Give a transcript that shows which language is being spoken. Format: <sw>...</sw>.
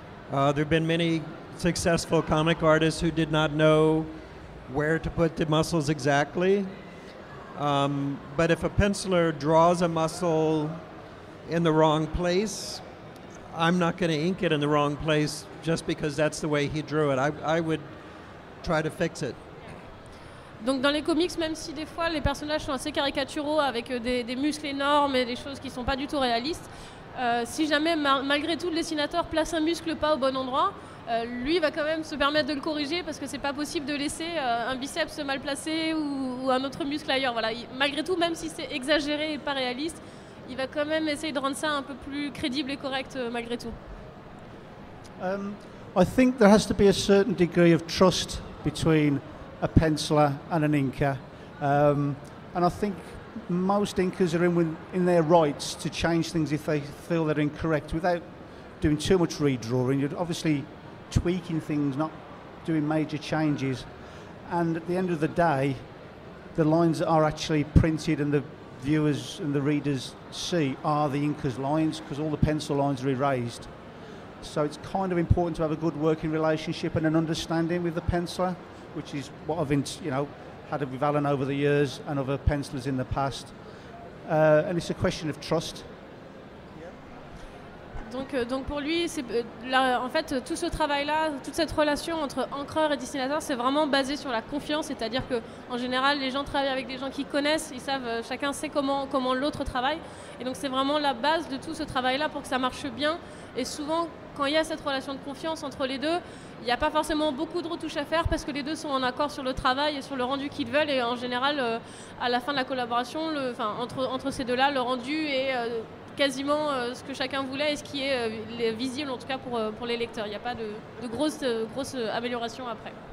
<en>There have been many successful comic artists who did not know where to put the muscles exactly. But if a penciler draws a muscle in the wrong place, I'm not going to ink it in the wrong place just because that's the way he drew it. I would try to fix it.</en> <fr>Donc dans les comics, même si des fois les personnages sont assez caricaturaux avec des muscles énormes et des choses qui sont pas du tout réalistes, si jamais malgré tout le dessinateur place un muscle pas au bon endroit, lui va quand même se permettre de le corriger parce que c'est pas possible de laisser un biceps mal placé ou un autre muscle ailleurs. Voilà. Malgré tout, même si c'est exagéré et pas réaliste, il va quand même essayer de rendre ça un peu plus crédible et correct malgré tout.</fr> <en>I think there has to be a certain degree of trust between a penciler and an inker. And I think most inkers are in their rights to change things if they feel they're incorrect without doing too much redrawing. You're obviously tweaking things, not doing major changes. And at the end of the day, the lines that are actually printed and the viewers and the readers see are the inker's lines, because all the pencil lines are erased. So it's kind of important to have a good working relationship and an understanding with the penciler, which is what I've had with Alan over the years and other pencilers in the past. And it's a question of trust.</en> <fr>Donc pour lui, c'est là, en fait, tout ce travail-là, toute cette relation entre encreur et dessinateur, c'est vraiment basé sur la confiance. C'est-à-dire que, en général, les gens travaillent avec des gens qui connaissent, ils savent, chacun sait comment l'autre travaille. Et donc c'est vraiment la base de tout ce travail-là pour que ça marche bien. Et souvent, quand il y a cette relation de confiance entre les deux, il n'y a pas forcément beaucoup de retouches à faire parce que les deux sont en accord sur le travail et sur le rendu qu'ils veulent. Et en général, à la fin de la collaboration, entre ces deux-là, le rendu est quasiment ce que chacun voulait et ce qui est visible, en tout cas pour les lecteurs. Il n'y a pas de grosse amélioration après.</fr>